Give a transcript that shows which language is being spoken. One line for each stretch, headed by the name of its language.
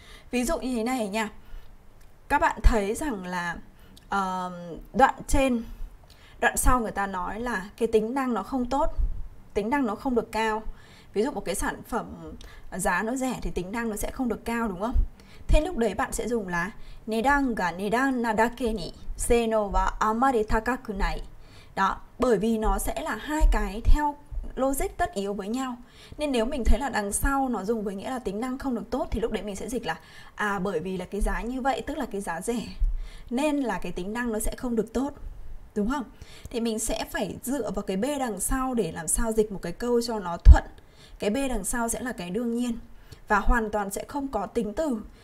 Vietnamese: Ví dụ như thế này nha. Các bạn thấy rằng là đoạn trên, đoạn sau người ta nói là cái tính năng nó không tốt, tính năng nó không được cao. Ví dụ một cái sản phẩm giá nó rẻ thì tính năng nó sẽ không được cao đúng không? Thế lúc đấy bạn sẽ dùng là
Japanese: 値段が値段なだけに性能はあまり高くない。
Vietnamese: Đó, bởi vì nó sẽ là hai cái theo logic tất yếu với nhau. Nên nếu mình thấy là đằng sau nó dùng với nghĩa là tính năng không được tốt thì lúc đấy mình sẽ dịch là à bởi vì là cái giá như vậy, tức là cái giá rẻ nên là cái tính năng nó sẽ không được tốt. Đúng không? Thì mình sẽ phải dựa vào cái B đằng sau để làm sao dịch một cái câu cho nó thuận. Cái B đằng sau sẽ là cái đương nhiên và hoàn toàn sẽ không có tính từ.